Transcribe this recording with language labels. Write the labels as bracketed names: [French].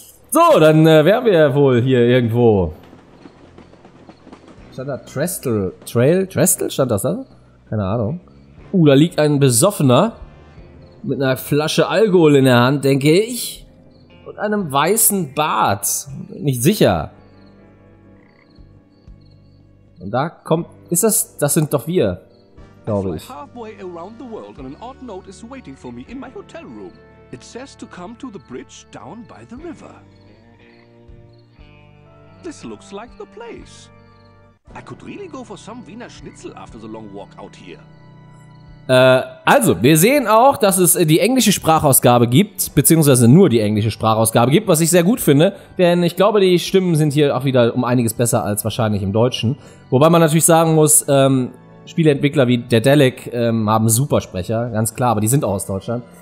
[German] So, dann wären wir ja wohl hier irgendwo. Stand da Trestle, Trail, Trestle stand das da? Keine Ahnung. Da liegt ein Besoffener mit einer Flasche Alkohol in der Hand, denke ich. Und einem weißen Bart. Nicht sicher. Und da kommt, ist das, das sind doch wir, glaube ich. [English] Halfway around the world and an odd note is waiting for me in my hotel room. It says to come to the bridge down by the river. This looks like the place. I could really go for some Wiener Schnitzel after the long walk out here. [German] Also, wir sehen auch, dass es die englische Sprachausgabe gibt, beziehungsweise nur die englische Sprachausgabe gibt, was ich sehr gut finde, denn ich glaube, die Stimmen sind hier auch wieder um einiges besser als wahrscheinlich im Deutschen. Wobei man natürlich sagen muss, Spieleentwickler wie Daedalic haben Supersprecher, ganz klar, aber die sind auch aus Deutschland.